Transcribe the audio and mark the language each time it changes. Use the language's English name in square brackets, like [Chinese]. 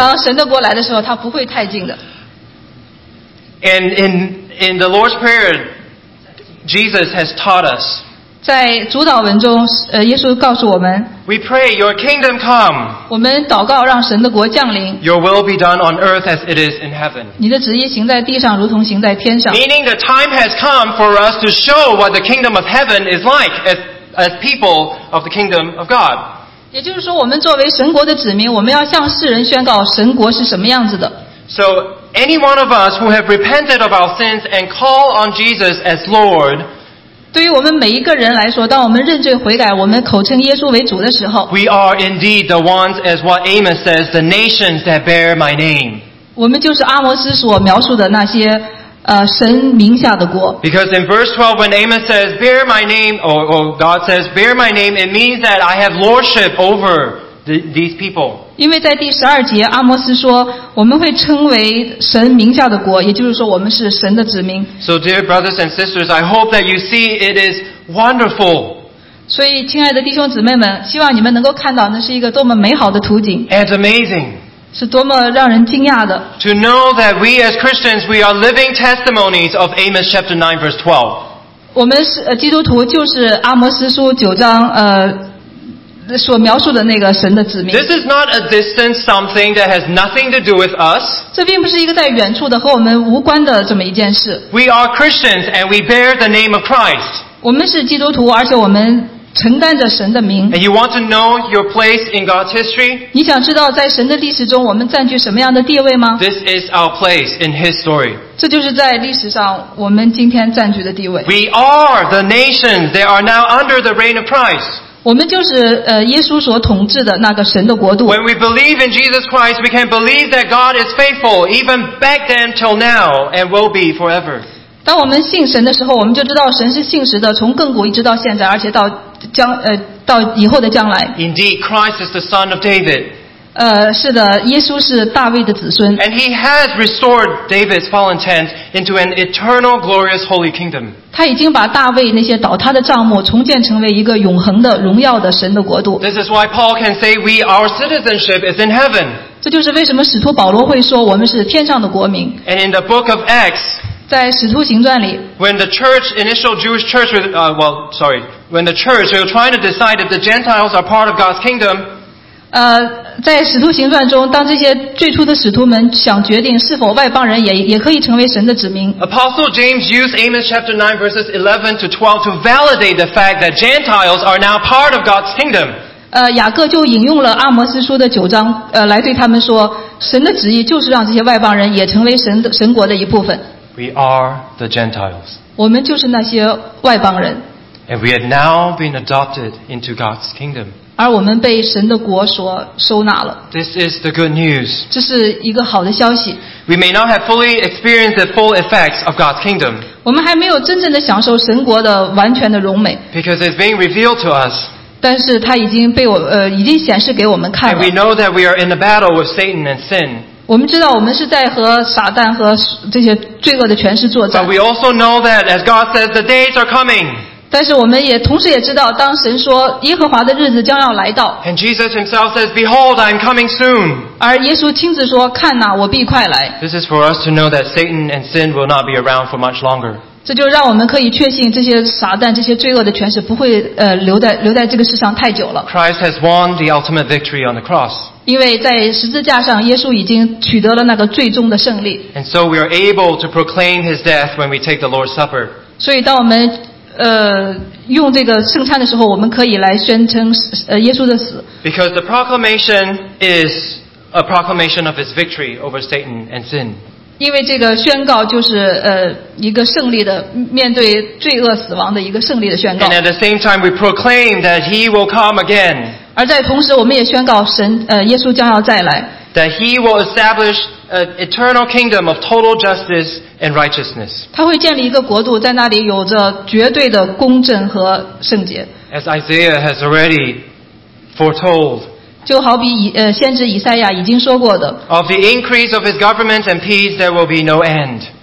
[Chinese] 当神的国来的时候，它不会太近的。 [English] And in the Lord's prayer, Jesus has taught us。 [Chinese] 在主祷文中，耶稣告诉我们。 [English] We pray, Your kingdom come。 [Chinese] 我们祷告让神的国降临。 [English] Your will be done on earth as it is in heaven。 [Chinese] 你的旨意行在地上，如同行在天上。 [English] Meaning the time has come for us to show what the kingdom of heaven is like as people of the kingdom of God。 [Chinese] 也就是说，我们作为神国的子民，我们要向世人宣告神国是什么样子的。 [English] So any one of us who have repented of our sins and call on Jesus as Lord。 [Chinese] 对于我们每一个人来说，当我们认罪悔改，我们口称耶稣为主的时候， [English] We are indeed the ones, as what Amos says, the nations that bear my name. [Chinese] 我们就是阿摩斯所描述的那些神名下的国。 [English] Because in verse 12, when Amos says, bear my name, or God says, bear my name, it means that I have lordship over these people. [Chinese] 因为在第十二节，阿摩斯说，我们会称为神名下的国，也就是说，我们是神的子民。 [English] So, dear brothers and sisters, I hope that you see it is wonderful. [Chinese] 所以，亲爱的弟兄姊妹们，希望你们能够看到，那是一个多么美好的图景。 [English] And amazing. [Chinese] 是多么让人惊讶的。 [English] To know that we as Christians, we are living testimonies of Amos chapter 9, verse 12. [Chinese] 我们是基督徒，就是阿摩斯书九章所描述的那个神的子民。 [English] This is not a distant something that has nothing to do with us. [Chinese] 这并不是一个在远处的和我们无关的这么一件事。 [English] We are Christians and we bear the name of Christ. [Chinese] 我们是基督徒，而且我们承担着神的名。 [English] And you want to know your place in God's history? [Chinese] 你想知道在神的历史中我们占据什么样的地位吗？ [English] This is our place in history. [Chinese] 这就是在历史上我们今天占据的地位。 [English] We are the nations that are now under the reign of Christ. [Chinese] 我们就是耶稣所统治的那个神的国度。 [English] When we believe in Jesus Christ, we can believe that God is faithful, even back then till now, and will be forever. [Chinese] 当我们信神的时候，我们就知道神是信实的，从亘古一直到现在，而且到将到以后的将来。 [English] Indeed, Christ is the Son of David. [Chinese] 是的，耶稣是大卫的子孙。 [English] And he has restored David's fallen tent into an eternal, glorious, holy kingdom. [Chinese] 他已经把大卫那些倒塌的帐幕重建成为一个永恒的荣耀的神的国度。 [English] This is why Paul can say we our citizenship is in heaven. [Chinese] 这就是为什么使徒保罗会说我们是天上的国民。 [English] And in the book of Acts, [Chinese] 在使徒行传里， [English] when the church initial Jewish church when the church was trying to decide if the Gentiles are part of God's kingdom, [Chinese] 在使徒行传中，当这些最初的使徒们想决定是否外邦人也可以成为神的子民。 [English] Apostle James used Amos chapter 9 verses 11 to 12 to validate the fact that Gentiles are now part of God's kingdom. [Chinese] 雅各就引用了阿摩斯书的九章，来对他们说，神的旨意就是让这些外邦人也成为神国的一部分。 [English] We are the Gentiles. [Chinese] 我们就是那些外邦人。 [English] And we have now been adopted into God's kingdom. [Chinese] 而我们被神的国所收纳了。 [English] This is the good news. [Chinese] 这是一个好的消息。 [English] We may not have fully experienced the full effects of God's kingdom. [Chinese] 我们还没有真正的享受神国的完全的荣美。 [English] Because it's being revealed to us. [Chinese] 但是它已经被已经显示给我们看了。 [English] And we know that we are in a battle with Satan and sin. [Chinese] 我们知道我们是在和撒旦和这些罪恶的权势作战。 [English] But we also know that, as God says, the days are coming. [Chinese] 但是我们也同时也知道，当神说耶和华的日子将要来到。 [English] And Jesus himself says, "Behold, I am coming soon." [Chinese] 而耶稣亲自说，看哪，我必快来。 [English] This is for us to know that Satan and sin will not be around for much longer. [Chinese] 这就让我们可以确信，这些撒旦、这些罪恶的权势不会留在这个世上太久了。 [English] Christ has won the ultimate victory on the cross. [Chinese] 因为在十字架上，耶稣已经取得了那个最终的胜利。 [English] And so we are able to proclaim his death when we take the Lord's Supper. [Chinese] 所以当我们用这个圣餐的时候，我们可以来宣称耶稣的死。 [English] Because the proclamation is a proclamation of his victory over Satan and sin. [Chinese] 因为这个宣告就是一个胜利的面对罪恶死亡的一个胜利的宣告。 [English] And at the same time, we proclaim that he will come again. [Chinese] 而在同时，我们也宣告神耶稣将要再来。 [English] That he will establish an eternal kingdom of total justice and righteousness. [Chinese] 他会建立一个国度，在那里有着绝对的公正和圣洁。 [English] As Isaiah has already foretold. [Chinese] 就好比先知以赛亚已经说过的。 [English] Of the increase of his government and peace, there will be no end.